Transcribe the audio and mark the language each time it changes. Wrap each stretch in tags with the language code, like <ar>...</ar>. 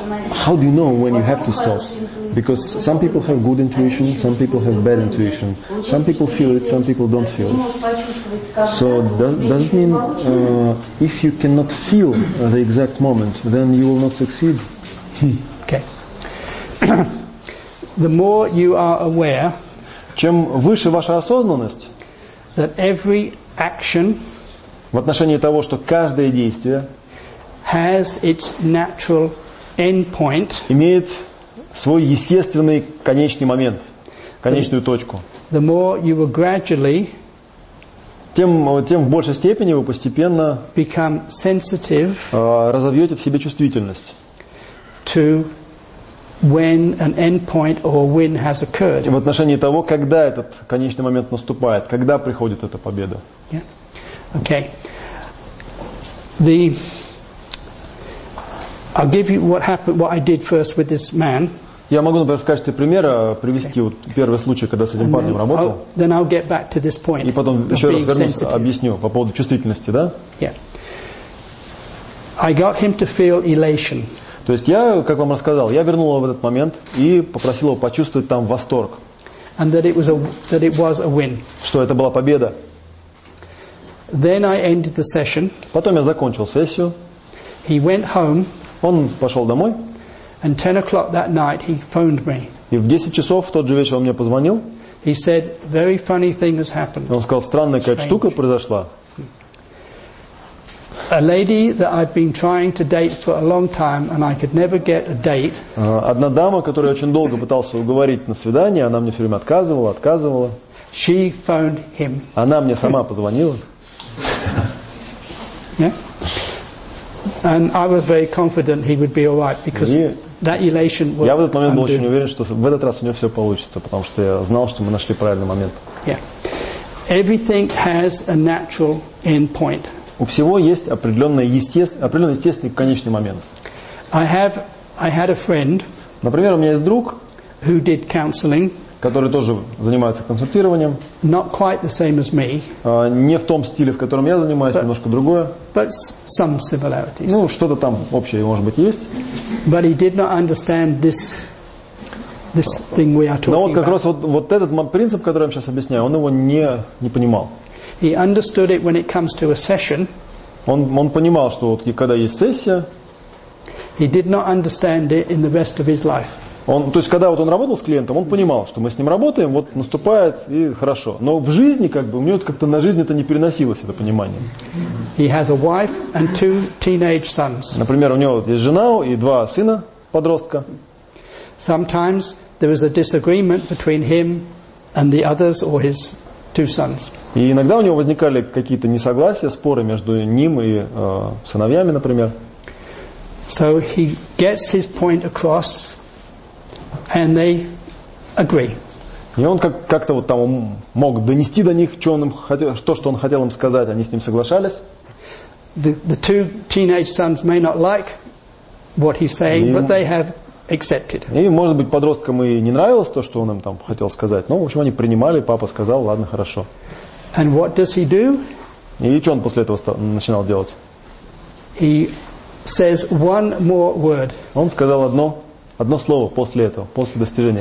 <en>How do you know when you have to stop? Because some people have good intuition, some people have bad intuition. Some people feel it, some people don't feel it. So does it mean if you cannot feel the exact moment, then you will not succeed? Okay. The more you are aware,</en> <ru>чем выше ваша осознанность,</ru> <en>that every action</en> <ru>в отношении того, что каждое действие</ru> <en>has its natural end point,</en> <ru>имеет свой естественный конечный момент, конечную точку.</ru> <en>The more you will gradually,</en> <ru>тем в большей степени вы постепенно</ru> <en>become sensitive,</en> <ru>разовьете в себе чувствительность</ru> <en>to when an end point or win has occurred.</en> <ru>В отношении того, когда этот конечный момент наступает, когда приходит эта победа.</ru> <en>Yeah. Okay. I'll give you what happened, what I did first with this man.</en> <ru>Я могу, например, в качестве примера привести вот первый случай, когда с этим парнем работал.</ru> <en>Then I'll get back to this point.</en> <ru>И потом еще раз вернусь, объясню по поводу чувствительности, да?</ru> <en>Yeah. I got him to feel elation.</en> <ru>То есть я, как вам рассказал, я вернул его в этот момент и попросил его почувствовать там восторг.</ru> <en>And that it was a win.</en> <ru>Что это была победа.</ru> <en>Then I ended the session.</en> <ru>Потом я закончил сессию.</ru> <en>He went home.</en> <ru>Он пошел домой.</ru> <en>And 10 o'clock that night he phoned me.</en> <ru>И в 10 часов в тот же вечер он мне позвонил.</ru> <en>He said, very funny thing has happened.</en> <ru>Он сказал, странная какая-то штука произошла.</ru> <en>A lady that I've been trying to date for a long time and I could never get a date.</en> <ru>Одна дама, которую я очень долго пытался уговорить на свидание, она мне все время отказывала.</ru> <en>She phoned him.</en> <ru>Она мне сама позвонила.</ru> <en>Yeah. And I was very confident he would be all right because that elation was.</en> <ru>Я в этот момент был очень уверен, что в этот раз у него все получится, потому что я знал, что мы нашли правильный момент.</ru> <en>Yeah. Everything has a natural end point.</en> <ru>У всего есть определенный естественный конечный момент.</ru> <en>I had a friend,</en> <ru>например, у меня есть друг,</ru> <en>who did counseling,</en> <ru>который тоже занимается консультированием.</ru> <en>Not quite the same as me,</en> <ru>не в том стиле, в котором я занимаюсь,</ru> <en>but,</en> <ru>немножко другое.</ru> <en>But some similarities.</en> <ru>Ну, что-то там общее, может быть, есть.</ru> <en>But he did not understand this thing we are talking about.</en> <ru>Но вот как раз вот этот принцип, который я сейчас объясняю, он его не понимал.</ru> <en>He understood it when it comes to a session.</en> <ru>Он понимал, что вот когда есть сессия.</ru> <en>He did not understand it in the rest of his life.</en> <ru>То есть когда вот он работал с клиентом, он понимал, что мы с ним работаем, вот наступает и хорошо. Но в жизни как бы у него это как-то на жизнь это не переносилось это понимание.</ru> <en>He has a wife and two teenage sons.</en> <ru>Например, у него есть жена и два сына подростка.</ru> <en>Sometimes there is a disagreement between him and the others or his two sons.</en> <ru>И иногда у него возникали какие-то несогласия, споры между ним и сыновьями, например.</ru> <en>So he gets his point across, and they agree.</en> <ru>И он как-то вот там мог донести до них, что он хотел им сказать, они с ним соглашались.</ru> <en>The two teenage sons may not like what he's saying, but they have accepted.</en> <ru>И, может быть, подросткам и не нравилось то, что он им там хотел сказать, но, в общем, они принимали, папа сказал, ладно, хорошо.</ru> <en>And what does he do?</en> <ru>И что он после этого начинал делать?</ru> <en>He says one more word.</en> <ru>Он сказал одно слово после этого, после достижения.</ru>